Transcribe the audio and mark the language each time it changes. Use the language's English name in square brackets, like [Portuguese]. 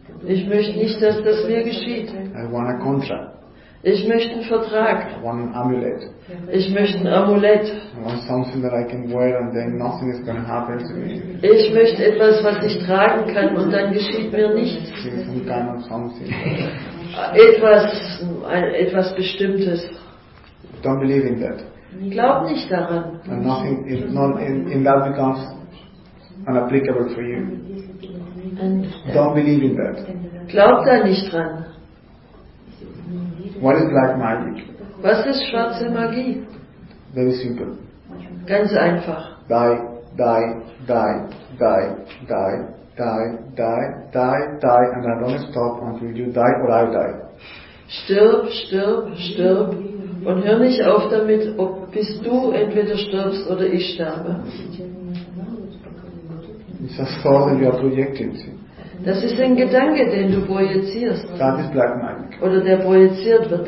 [German] Ich möchte nicht, dass das mir geschieht. [English] I want a contract. [German] Ich möchte einen Vertrag. [English] I want an amulet. [German] Ich möchte ein Amulett. [English] I want something that I can wear and then nothing is going to happen to me. [German] Ich möchte etwas, was ich tragen kann und dann geschieht mir nichts. [English] Some kind of something. [German] Etwas Bestimmtes. [English] Don't believe in that. [German] Glaub nicht daran. [English] And nothing is not in that becomes unapplicable for you. And don't believe in that. [German] Glaub da nicht dran. [English] What is black magic? [German] Was ist schwarze Magie? [English] Very simple. [German] Ganz einfach. [English] Die, die, die, die, die, die, die, die, die, and I don't stop until you die or I die. [German] Stirb, stirb, stirb und hör nicht auf damit, ob bis du entweder stirbst oder ich sterbe. [English] It's a thought that you are projecting. [German] Das ist ein Gedanke, den du projizierst. [English] That is black magic. [German] Oder der projiziert wird.